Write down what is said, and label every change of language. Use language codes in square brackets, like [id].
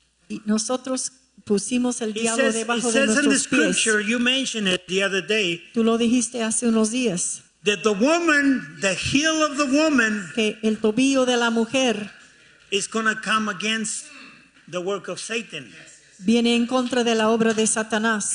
[es] Y nosotros pusimos el diablo debajo de nuestros pies. [en] It says in the scripture, you mentioned it the other day. [es] Tú lo dijiste hace unos días. [en] That the woman, the heel of the woman, [es] que el tobillo de la mujer, [en] is going to come against the work of Satan. [es] Viene en contra de la obra de Satanás.